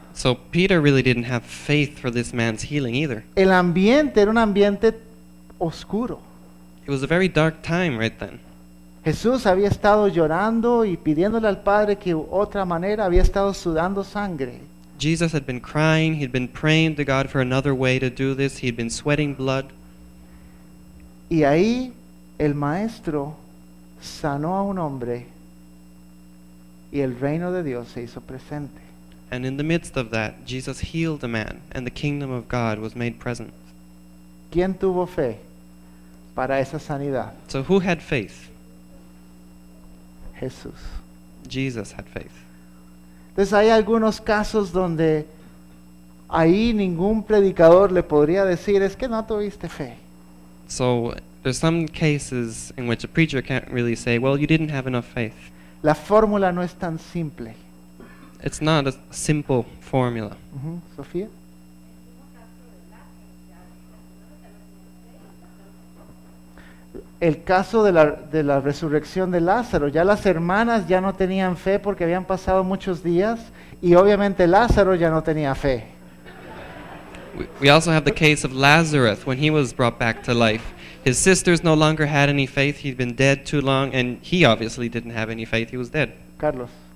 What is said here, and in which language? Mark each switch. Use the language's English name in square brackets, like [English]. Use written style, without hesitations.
[English] So Peter really didn't have faith for this man's healing either. [Spanish] El ambiente era un ambiente oscuro. [English] It was a very dark time right then. [Spanish] Jesús había estado llorando y pidiéndole al Padre que otra manera, había estado sudando sangre. [English] Jesus had been crying, he'd been praying to God for another way to do this, he'd been sweating blood. [Spanish] Y ahí el maestro sanó a un hombre y el reino de Dios se hizo presente. [English] And in the midst of that, Jesus healed a man and the kingdom of God was made present. [Spanish] ¿Quién tuvo fe para esa sanidad? [English] So who had faith? [Spanish] Jesús. [English] Jesus had faith. [Spanish] Entonces hay algunos casos donde ahí ningún predicador le podría decir, es que no tuviste fe. [English] So, there's some cases in which a preacher can't really say, well, you didn't have enough faith. [Spanish] La fórmula no es tan simple. [English] It's not a simple formula. [Spanish] Sofía. El caso de la resurrección de Lázaro, ya las hermanas ya no tenían fe porque habían pasado muchos días y obviamente Lázaro ya no tenía fe. [English] We also have the case of Lazarus when he was brought back to life. His sisters no longer had any faith. He'd been dead too long and he obviously didn't have any faith. He was dead. Carlos.